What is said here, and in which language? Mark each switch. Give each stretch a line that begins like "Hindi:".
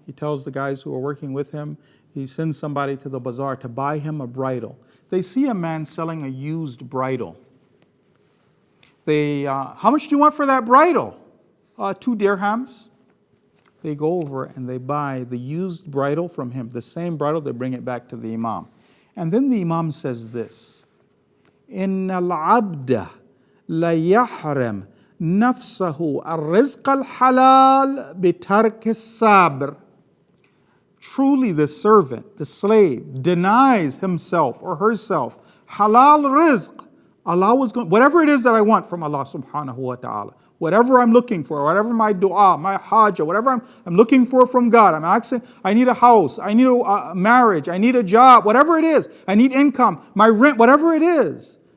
English: He tells the guys who are working with him, he sends somebody to the bazaar to buy him a bridle. They see a man selling a used bridle. How much do you want for that bridle? 2 dirhams. They go over and they buy the used bridle from him, the same bridle, they bring it back to the imam. And then the imam says this,
Arabic: إِنَّ الْعَبْدَ لَيَحْرَمْ نَفْسَهُ الرِّزْقَ الْحَلَالِ بِتَرْكِ السَّابْرِ.
English: Truly the servant, the slave, denies himself or herself halal rizq. Allah was going, whatever it is that I want from Allah subhanahu wa ta'ala, whatever I'm looking for, whatever my dua, my hajjah, whatever I'm looking for from God, I'm asking, I need a house, I need a marriage, I need a job, whatever it is, I need income, my rent, whatever it is.